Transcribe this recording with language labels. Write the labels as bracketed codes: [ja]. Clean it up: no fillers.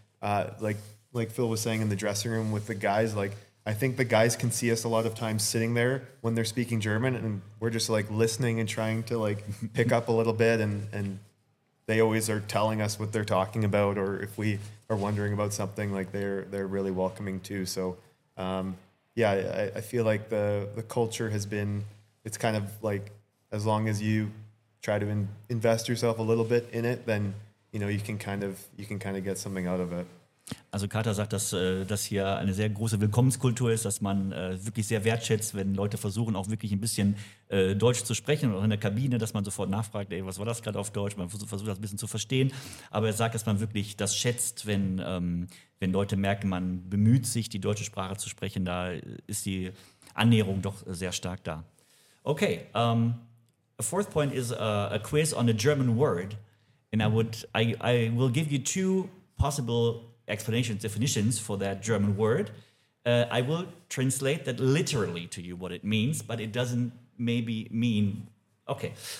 [en] And like Phil was saying in the dressing room with the guys, like, I think the guys can see us a lot of times sitting there when they're speaking German and we're just like listening and trying to like pick up a little bit and they always are telling us what they're talking about or if we are wondering about something, like they're really welcoming too. So I feel like the culture has been, it's kind of like as long as you try to invest yourself a little bit in it, then you know you can kind of get something out of it. [de] Also Carter sagt, dass das hier eine sehr große Willkommenskultur ist, dass man wirklich sehr wertschätzt, wenn Leute versuchen, auch wirklich ein bisschen Deutsch zu sprechen oder in der Kabine, dass man sofort nachfragt, ey, was war das gerade auf Deutsch? Man versucht das ein bisschen zu verstehen. Aber er sagt, dass man wirklich das schätzt, wenn Leute merken, man bemüht sich, die deutsche Sprache zu sprechen. Da ist die Annäherung doch sehr stark da. [en] Okay, a fourth point is a quiz on a German word. And I will give you two possible explanations, definitions for that German word. I will translate that literally to you what it means, but it doesn't maybe mean, okay.